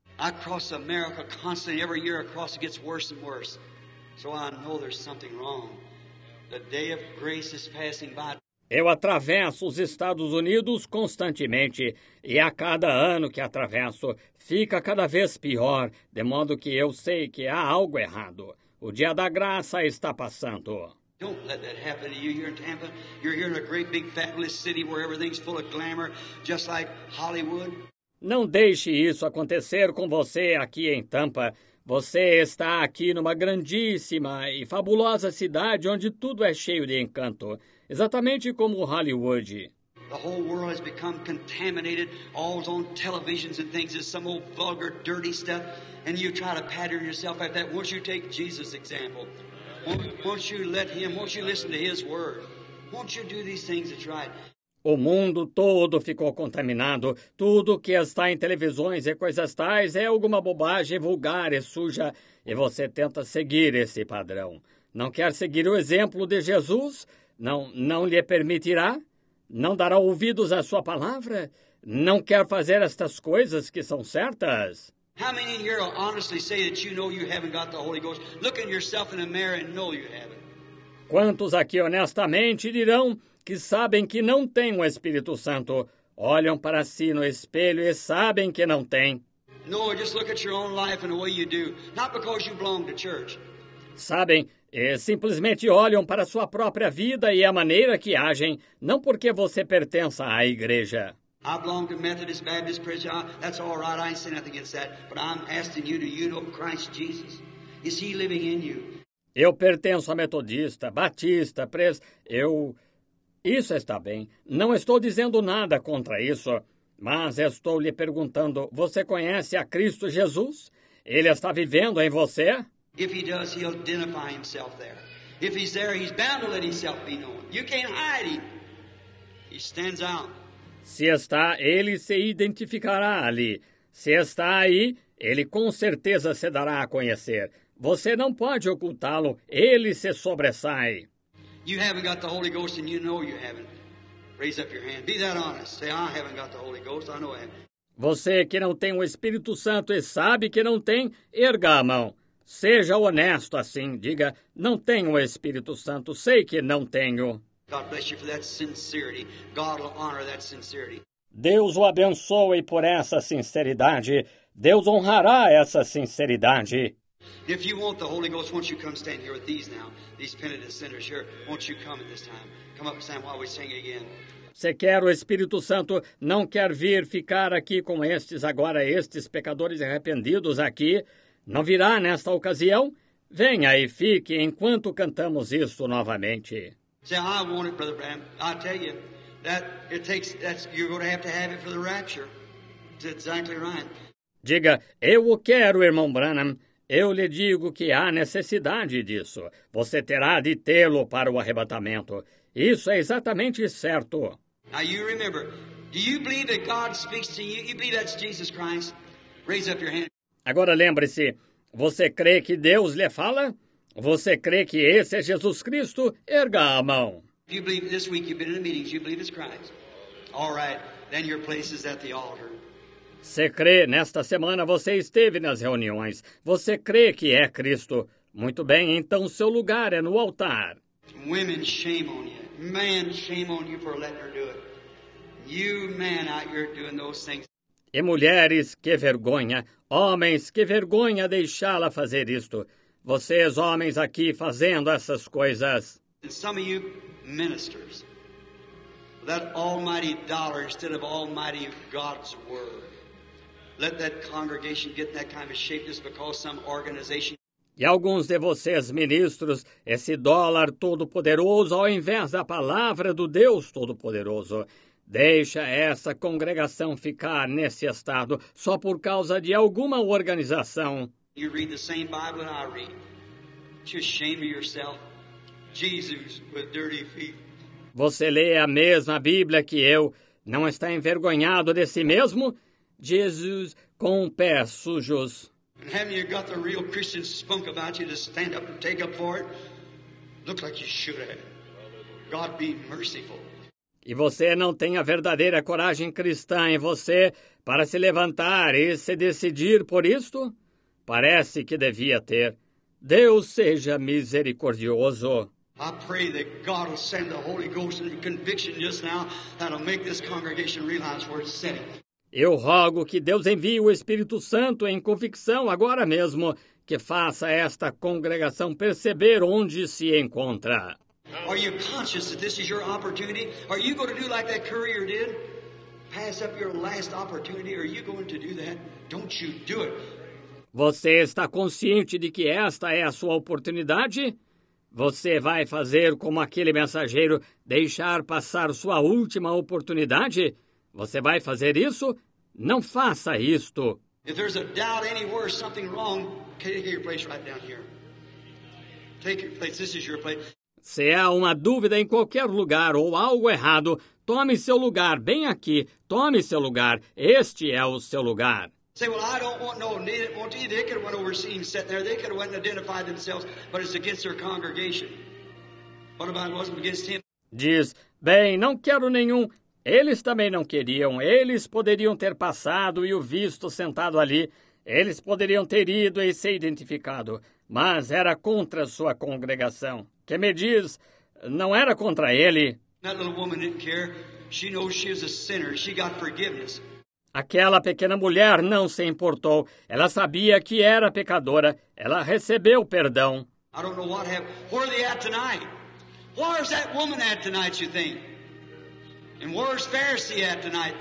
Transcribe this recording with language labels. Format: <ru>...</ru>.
<en>I cross America constantly. Every year I cross, it gets worse and worse. So I know there's something wrong. The day of grace is passing by.</en> <pt>Eu atravesso os Estados Unidos constantemente e a cada ano que atravesso fica cada vez pior, de modo que eu sei que há algo errado. O dia da graça está passando.</pt> <en>Don't let that happen to you here in Tampa. You're here in a great big fabulous city where everything's full of glamour, just like Hollywood.</en> <pt>Não deixe isso acontecer com você aqui em Tampa. Você está aqui numa grandíssima e fabulosa cidade onde tudo é cheio de encanto, exatamente como Hollywood.</pt> <en>The whole world has become contaminated, all on televisions and things, is some old vulgar, dirty stuff, and you try to pattern yourself after that. Won't you take Jesus' example? Won't you let him, won't you listen to his word? Won't you do these things that's right?</en> <pt>O mundo todo ficou contaminado. Tudo que está em televisões e coisas tais é alguma bobagem vulgar e suja. E você tenta seguir esse padrão. Não quer seguir o exemplo de Jesus? Não lhe permitirá? Não dará ouvidos à sua palavra? Não quer fazer estas coisas que são certas?</pt> <en>How many here will honestly say that you know you haven't got the Holy Ghost? Look at yourself in the mirror and know you haven't.</en> <pt>Quantos aqui honestamente dirão que sabem que não têm o Espírito Santo? Olham para si no espelho e sabem que não têm.</pt> <en>No, just look at your own life and the way you do. Not because you belong to church.</en> <pt>Sabem, e simplesmente olham para sua própria vida e a maneira que agem, não porque você pertença à igreja.</pt> <en>I belong to Methodist, Baptist, Presbyterian. That's all right. I ain't saying nothing against that. But I'm asking you, do you know Christ Jesus? Is he living in you?</en> <pt>Eu pertenço a Metodista, Batista, Presbyterian. Isso está bem. Não estou dizendo nada contra isso, mas estou lhe perguntando, você conhece a Cristo Jesus? Ele está vivendo em você?</pt> <en>If he does, he'll identify himself there. If he's there, he's bound to let himself be known. You can't hide him. He stands out.</en> <pt>Se está, ele se identificará ali. Se está aí, ele com certeza se dará a conhecer. Você não pode ocultá-lo. Ele se sobressai.</pt> <en>You haven't got the Holy Ghost and you know you haven't. Raise up your hand. Be that honest. Say, I haven't got the Holy Ghost. I know I haven't.</en> <pt>Você que não tem o Espírito Santo e sabe que não tem, erga a mão. Seja honesto assim. Diga, não tenho o Espírito Santo. Sei que não tenho.</pt> <en>God bless you for that sincerity. God will honor that sincerity.</en> <pt>Deus o abençoe por essa sinceridade. Deus honrará essa sinceridade.</pt> <en>If you want the Holy Ghost, won't you come stand here with these now, these penitent sinners here? Won't you come at this time? Come up and stand while we sing again.</en> <pt>Você quer o Espírito Santo? Não quer vir ficar aqui com estes agora, estes pecadores arrependidos aqui? Não virá nesta ocasião? Venha e fique enquanto cantamos isto novamente.</pt> <en>Say, I want it, Brother Bram. I tell you, that it takes, that's, you're going to have it for the rapture. It's exactly right.</en> <pt>Diga, eu o quero, irmão Branham. Eu lhe digo que há necessidade disso. Você terá de tê-lo para o arrebatamento. Isso é exatamente certo.</pt> <en>Now you remember, do you believe that God speaks to you? You believe that's Jesus Christ? Raise up your hand.</en> <pt>Agora lembre-se, você crê que Deus lhe fala? Você crê que esse é Jesus Cristo? Erga a mão.</pt> <en>If you believe this week you've been in the meetings, you believe it's Christ. All right, then your place is at the altar.</en> <pt>Você crê, nesta semana você esteve nas reuniões. Você crê que é Cristo. Muito bem, então seu lugar é no altar.</pt> <en>Women, shame on you. Men, shame on you for letting her do it. You men out here doing those things.</en> <pt>E mulheres, que vergonha. Homens, que vergonha deixá-la fazer isto. Vocês, homens, aqui fazendo essas coisas.</pt> <en>And some of you ministers, that almighty dollar instead of almighty God's word. Let that congregation get that kind of shape just because some organization.</en> <pt>E alguns de vocês, ministros, esse dólar todo-poderoso ao invés da palavra do Deus todo-poderoso. Deixa essa congregação ficar nesse estado só por causa de alguma organização.</pt> <en>You read the same Bible that I read. Just shame yourself. Jesus with dirty feet.</en> <pt>Você lê a mesma Bíblia que eu. Não está envergonhado de si mesmo? Jesus com pés sujos.</pt> <en>And haven't you got the real Christian spunk about you to stand up and take up for it? Look like you should have. God be merciful.</en> <pt>E você não tem a verdadeira coragem cristã em você para se levantar e se decidir por isto? Parece que devia ter. Deus seja misericordioso.</pt> <en>I pray that God will send the Holy Ghost and conviction just now that'll make this congregation realize where it's sitting.</en> <pt>Eu rogo que Deus envie o Espírito Santo em convicção agora mesmo, que faça esta congregação perceber onde se encontra.</pt> <en>Are you conscious that this is your opportunity? Are you going to do like that courier did? Pass up your last opportunity? Are you going to do that? Don't you do it.</en> <pt>Você está consciente de que esta é a sua oportunidade? Você vai fazer como aquele mensageiro, deixar passar sua última oportunidade? Você vai fazer isso? Não faça isto.</pt> <en>If there's a doubt anywhere, something wrong, take your place right down here. Take your place. This is your place.</en> <pt>Se há uma dúvida em qualquer lugar ou algo errado, tome seu lugar bem aqui. Tome seu lugar. Este é o seu lugar.</pt> <en>Say, well, I don't want no need. Won't you? They could have went overseas and sat there. They could have went and identified themselves, but it's against their congregation. What about it wasn't against him?</en> <pt>Diz, bem, não quero nenhum. Eles também não queriam. Eles poderiam ter passado e o visto sentado ali. Eles poderiam ter ido e se identificado. Mas era contra sua congregação. Que me diz, não era contra ele.</pt> <en>That little woman didn't care. She knows she is a sinner. She got forgiveness.</en> <pt>Aquela pequena mulher não se importou. Ela sabia que era pecadora. Ela recebeu perdão.</pt> <en>I don't know what happened. Where are they at tonight? Where is that woman at tonight, you think? And where is Pharisee at tonight?</en>